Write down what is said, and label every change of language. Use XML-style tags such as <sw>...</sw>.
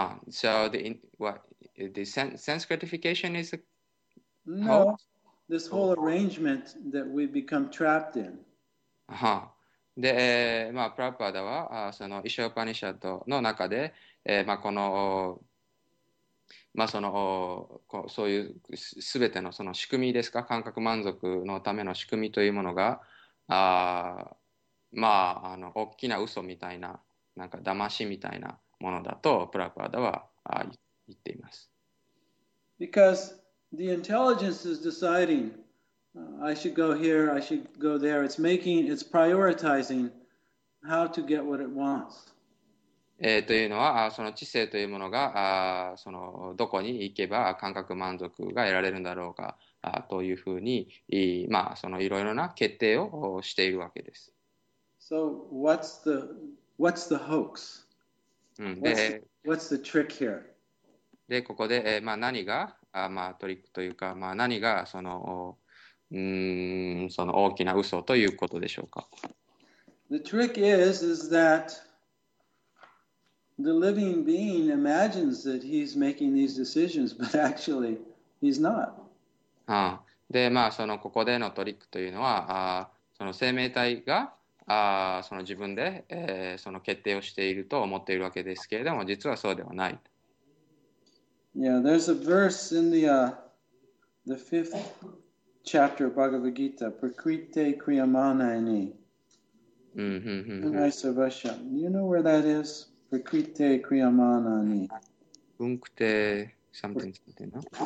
<en>So the sense gratification is a no. This whole arrangement that we become trapped in.</en> <ja>で、まあ、プラパダは、そのイシャオパニシャドの中で、まあ、この、まあ、その、そういうすべてのその仕組みですか、感覚満足のための仕組みというものが、まあ、あの大きな嘘みたいな、なんか騙しみたいなものだとプラパダは言っています。</ja> <en>Because the intelligence is deciding I should go here, I should go there. It's prioritizing how to get what it wants.</en> <ja>というのは、その知性というものが、そのどこに行けば感覚満足が得られるんだろうか、というふうに、まあ、そのいろいろな決定をしているわけです。</ja> <en>So what's the hoax? What's the trick here?</en> <ja>で、ここで、まあ、何が、まあ、トリックというか、まあ、何がそのその大きな嘘ということでしょうか。</ja> <en>The trick is that the living being imagines that he's making these decisions, but actually he's not.</en> <ja>ああ、で、まあ、そのここでのトリックというのは、その生命体が、その自分で、その決定をしていると思っているわけですけれども、実はそうではない。</ja> <en>Yeah, there's a verse in the fifth chapter of Bhagavad Gita, Prakriti Kriyamanaini. Naisavasya. Do you know where that is?</en> <sa>Prakriti Kriyamanaini.</sa> <en>Unkte something, no?</en>